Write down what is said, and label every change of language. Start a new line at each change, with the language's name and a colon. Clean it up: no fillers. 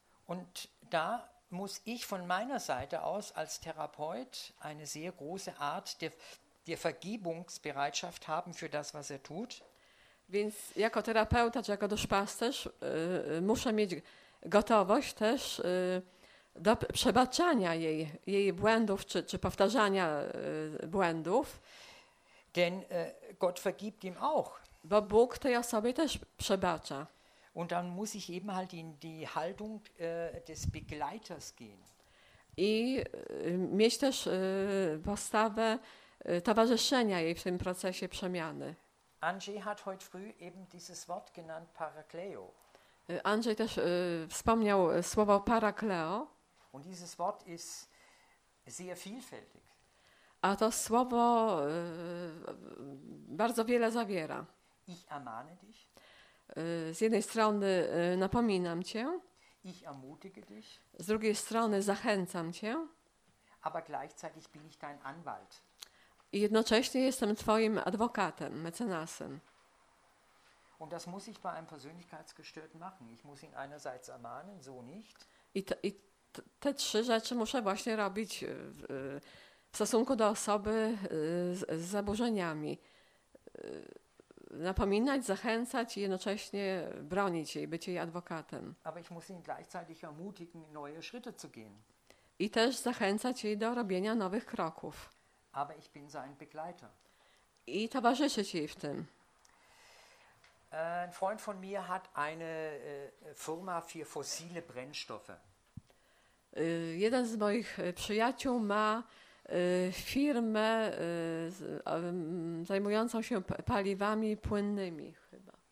German: Und da muss ich von meiner Seite aus als Therapeut eine sehr große Art der Vergebungsbereitschaft haben für das, was er tut.
Polish: Więc jako terapeuta czy jako duszpasterz muszę mieć gotowość też do przebaczania jej błędów czy powtarzania błędów.
German: Denn Gott vergibt ihm auch.
Polish: Bo Bóg tej osobie też przebacza.
German: Und dann muss ich eben halt in die Haltung des Begleiters gehen.
Polish: I mieć też postawę towarzyszenia jej w tym procesie przemiany.
German: Andrzej hat heute früh eben dieses Wort genannt Parakleo.
Polish: Andrzej też wspomniał słowo Parakleo.
German: Und dieses Wort ist sehr vielfältig.
Polish: A to słowo bardzo wiele zawiera.
German: Ich ermahne dich.
Polish: Z jednej strony napominam cię.
German: Ich ermutige dich.
Polish: Z drugiej strony zachęcam cię.
German: Aber gleichzeitig bin ich dein Anwalt.
Polish: I jednocześnie jestem twoim adwokatem, mecenasem.
German: Und das muss ich bei einem Persönlichkeitsgestörten machen. Ich muss ihn einerseits ermahnen, so nicht.
Polish: I te trzy rzeczy muszę właśnie robić w stosunku do osoby z zaburzeniami. Napominać, zachęcać i jednocześnie bronić jej, być jej adwokatem.
German: Aber ich muss ihn gleichzeitig ermutigen, neue Schritte zu gehen.
Polish: I też zachęcać jej do robienia nowych kroków.
German: Aber ich bin sein Begleiter.
Polish: I towarzyszyć jej w tym.
German: Ein Freund von mir hat eine Firma für fossile Brennstoffe.
Polish: Jeden z moich przyjaciół ma firmę zajmującą się paliwami płynnymi chyba.